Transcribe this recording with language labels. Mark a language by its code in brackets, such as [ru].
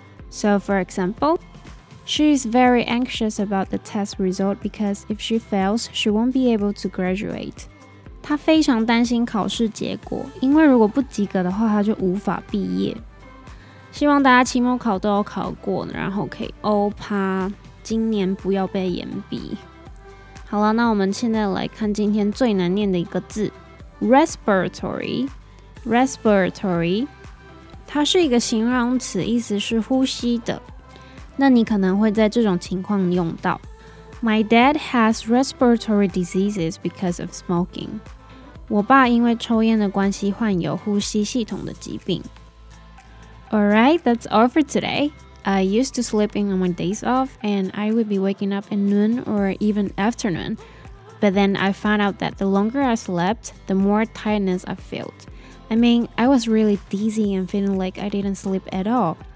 [en] So for example, She is very anxious about the test result because if she fails, she won't be able to graduate. [zh] 他非常担心考试结果，因为如果不及格的话，他就无法毕业。希望大家期末考都有考过，然后可以欧趴，今年不要被延毕。好了，那我们现在来看今天最难念的一个字 ，respiratory， 它是一个形容词，意思是呼吸的。那你可能会在这种情况用到。 [en] My dad has respiratory diseases because of smoking. [zh] 我爸因为抽烟的关系患有呼吸系统的疾病。 [en] Alright, that's all for today. I used to sleep in on my days off, and I would be waking up at noon or even afternoon. But then I found out that the longer I slept, the more tiredness I felt. I mean, I was really dizzy and feeling like I didn't sleep at all.